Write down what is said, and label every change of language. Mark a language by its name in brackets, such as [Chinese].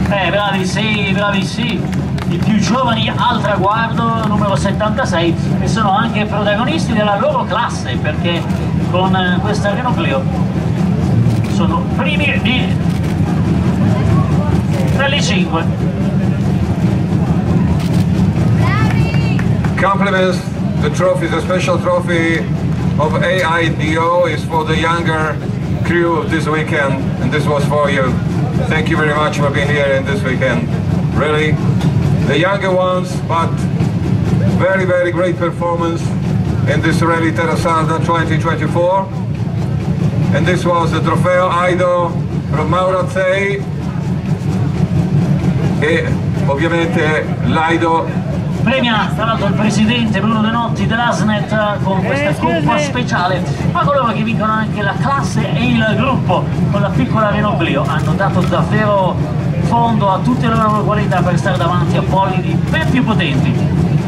[Italian] Bravi, sì, bravi, sì. I più giovani al traguardo, numero 76, e sono anche protagonisti della loro classe, perché con questa Renault Clio sono primi di Rally 5. [English] Compliments, the trophy, the special trophy of AIDO is for the younger crew of this weekend, and this was for you. Thank you very much for being here in this weekend. Really, the younger ones, but very, very great performance in this Rally Terra Sarda 2024. And this was the Trofeo Aido from Mauro Azzei [Italian] e ovviamente l'Aido. Premia tra l'altro il presidente Bruno De Notti dell'ASNET con questa coppa speciale, ma coloro che vincono anche la classe e il gruppo con la piccola Renault Clio hanno dato davvero fondo a tutte le loro qualità per stare davanti a bolidi ben più potenti.